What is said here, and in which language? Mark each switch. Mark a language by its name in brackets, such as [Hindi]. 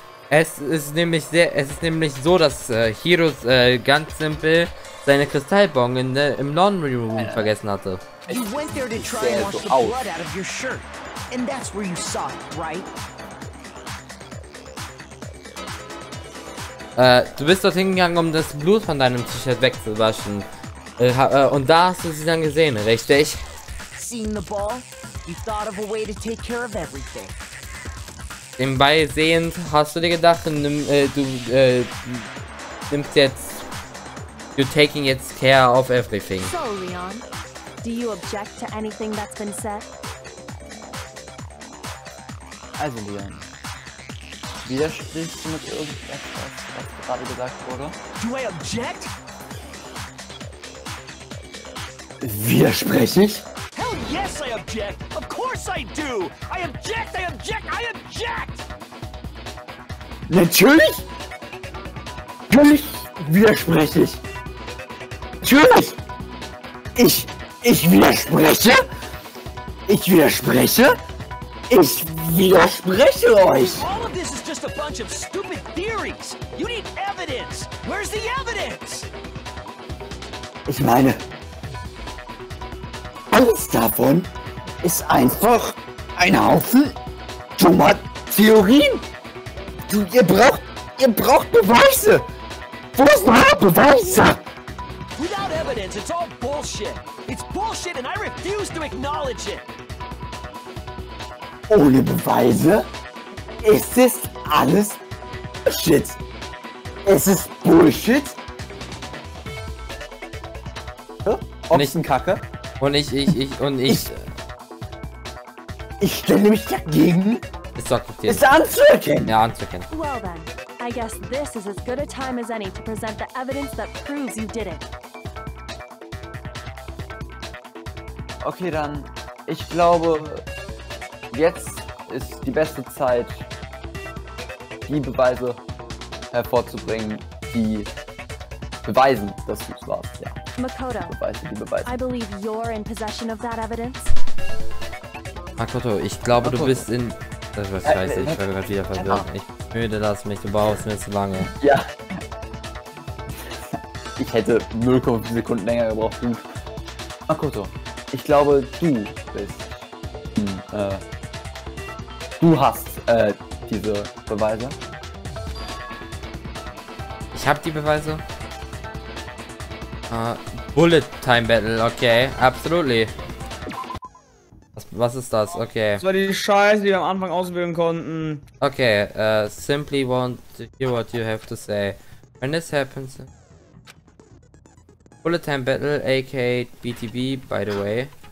[German] Es ist nämlich so, dass Heroes ganz simpel seine Kristallbong im Laundry Room vergessen hatte. [English] You went there to try and wash the blood out of your shirt. And that's where you saw it, right? [German] Du bist dorthin gegangen, um das Blut von deinem T-Shirt wegzuwaschen. Und da hast du sie dann gesehen, richtig? [English] Seen the ball, you thought of a way to take care of everything. [German] Den Ball sehend, hast du dir gedacht, [English] you're taking [German] jetzt [English] care of everything. So, Leon, do you object to anything that's been said? [German] Also, Leon, widersprichst du mit irgendetwas, was gerade gesagt wurde? [English] Do I object? [German] Widersprich ich? [English] Hell yes, I object! Of course I do! I object, I object, I object! [German] Natürlich! Natürlich widerspreche ich! Natürlich! Ich widerspreche euch! [English] All of this is just a bunch of stupid theories! You need evidence! Where's the evidence? [German] Ich meine, alles davon ist einfach ein Haufen dummer Theorien. Ihr braucht Beweise. Wo ist der Beweise? [English] Without evidence, it's all bullshit. It's bullshit and I refuse to acknowledge it. [German] Ohne Beweise ist es alles Bullshit. Es ist Bullshit. Nicht ein Kacke. Ich stelle mich dagegen, es zu akzeptieren. Es anzuerkennen. Ja, anzuerkennen. [English] Well then, I guess this is as good a time as any to present the evidence that proves you did it. [German] Okay, dann. Ich glaube, jetzt ist die beste Zeit, die Beweise hervorzubringen, die beweisen, dass du es warst, ja. [English] Makoto, I believe you're in possession of that evidence. [German] Makoto, ich glaube, Makoto, du bist in. Das war scheiße, ich war gerade wieder verwirrt. Ich müde lass mich, du brauchst mir zu lange. Ja. Ich hätte 0,5 Sekunden länger gebraucht. Makoto, ich glaube, du bist. Du hast diese Beweise. Ich hab die Beweise. [English] Bullet Time Battle, okay. Absolutely. [German] Was ist das? [English] Okay. [German] Das war die Scheiße, die wir am Anfang auswählen konnten. [English] Okay, simply want to hear what you have to say. When this happens... Bullet Time Battle, aka BTB, by the way.